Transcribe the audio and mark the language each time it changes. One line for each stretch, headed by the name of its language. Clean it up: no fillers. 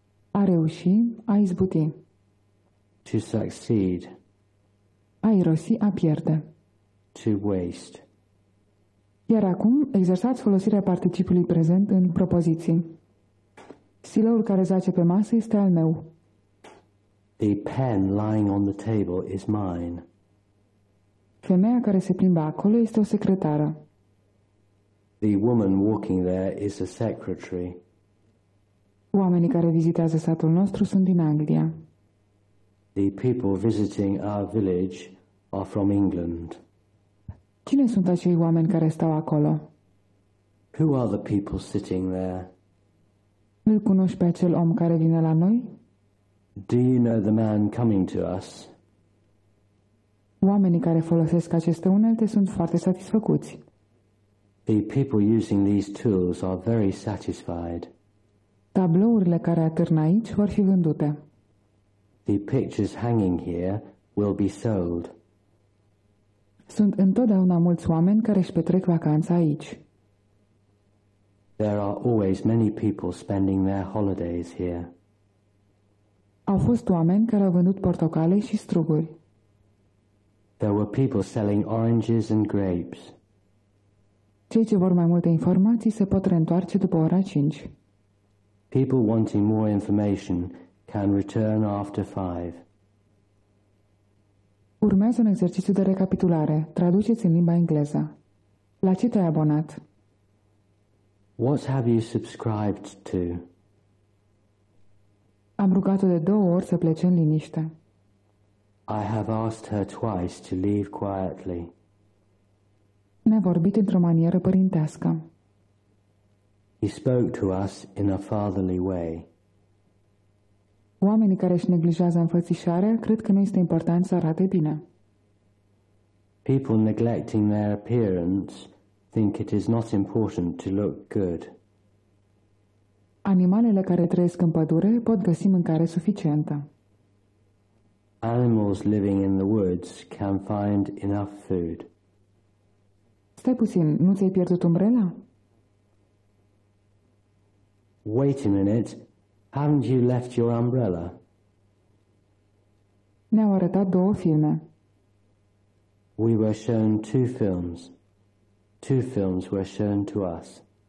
Romanian: A reuși, a izbuti.
English: To succeed.
Romanian: A irosi, a pierde.
English: To waste.
Romanian: Iar acum, exersați folosirea participului prezent în propoziții. Siloul care zace pe masă este al meu.
English: The pen lying on the table is mine.
Romanian: Femeia care se plimbă acolo este o secretară.
English: The woman walking there is a secretary.
Romanian: Oamenii care vizitează satul nostru sunt din Anglia.
English: The people visiting our village are from England.
Romanian: Cine sunt acei oameni care stau acolo?
English: Who are the people sitting there?
Romanian: Îl cunoști pe acel om care vine la noi?
English: Do you know the man coming to us?
Romanian: Oamenii care folosesc aceste unelte sunt foarte satisfăcuți.
English: The people using these tools are very satisfied.
Romanian: Tablourile care atârn aici vor fi vândute.
English: The pictures hanging here will be sold.
Romanian: Sunt întotdeauna mulți oameni care își petrec vacanța aici.
English: There are always many people spending their holidays here.
Romanian: Au fost oameni care au vândut portocale și struguri.
English: There were people selling oranges and grapes.
Romanian: Cei ce vor mai multe informații se pot reîntoarce după ora 5.
English: People wanting more information can return after 5.
Romanian: Urmează un exercițiu de recapitulare. Traduceți în limba engleză. La ce te-ai abonat?
English: What have you subscribed to?
Romanian: Am rugat-o de două ori să plece în liniște.
English: I have asked her twice to leave quietly.
Romanian: Ne-a vorbit într-o manieră părintească.
English: He spoke to us in a fatherly way.
Romanian: Oamenii care își neglijează înfățișarea cred că nu este important să arate bine.
English: People neglecting their appearance think it is not important to look good.
Romanian: Animalele care trăiesc în pădure pot găsi mâncare suficientă.
English: Animals living in the woods can find enough food.
Romanian: Stai puțin, nu ți-ai pierdut umbrela?
English: Wait a minute. Haven't you left your umbrella?
Romanian: Ne-au arătat două filme.
English: We were shown two films. Two films were shown to us.